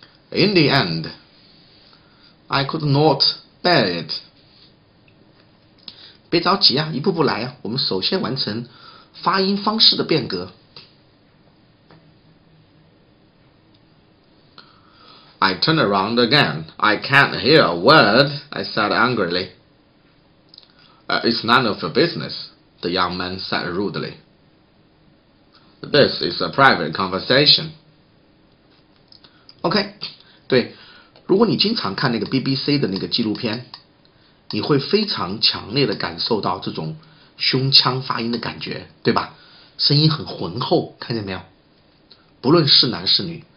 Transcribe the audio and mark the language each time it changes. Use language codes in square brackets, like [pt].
[en] In the end, I could not bear it. [zh] 别着急啊，一步步来啊，我们首先完成发音方式的变革。 [en] I turned around again. I can't hear a word, I said angrily. It's none of your business, the young man said rudely. This is a private conversation. [zh] OK, 对，如果你经常看那个 BBC 的那个纪录片，你会非常强烈的感受到这种胸腔发音的感觉，对吧？声音很浑厚，看见没有？不论是男是女。